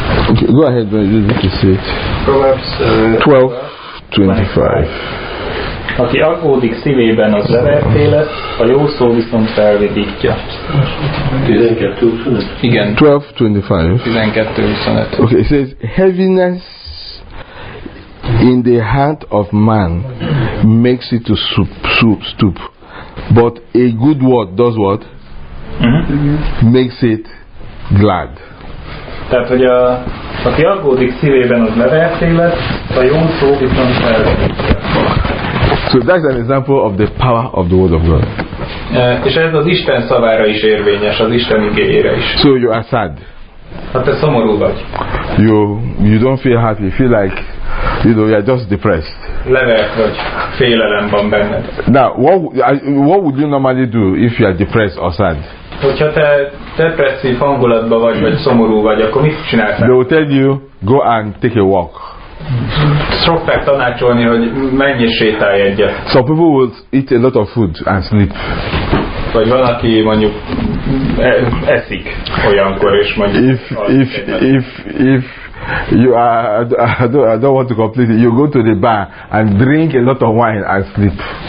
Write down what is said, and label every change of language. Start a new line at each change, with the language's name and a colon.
English: Okay, go ahead, but you need to see it. Proverbs 12:25.
Hungarian: Aki aggódik szívében, az leverté lesz, a jó szó viszont felvidítja.
English: 12:25. Okay, it says, heaviness in the heart of man makes it to stoop, but a good word does what? Mm-hmm. Makes it glad.
Hungarian: Tehát, hogy aki aggódik szívében, az leverté lesz, a jó szó viszont felvidítja.
English: So that's an example of the power of the word of God.
Hungarian: És ez az Isten szavára is érvényes, az Isten igényére is.
English: So you are sad.
Hungarian: Hát te szomorú vagy.
English: You don't feel happy, you feel like, you know, you are just depressed.
Hungarian: Levert vagy, félelem van benned.
English: Now, what would you normally do if you are depressed or sad?
Hungarian: Hogyha te depresszív hangulatban vagy szomorú vagy, akkor mit csinálsz?
English: They will tell you, go and take a walk.
Hungarian: Szokták tanácsolni, hogy menj és sétálj egyet.
English: Some people will eat a lot of food and sleep.
Hungarian: Vagy van, aki mondjuk eszik olyankor, és mondjuk...
English: If I don't want to complete it. You go to the bar and drink a lot of wine and sleep.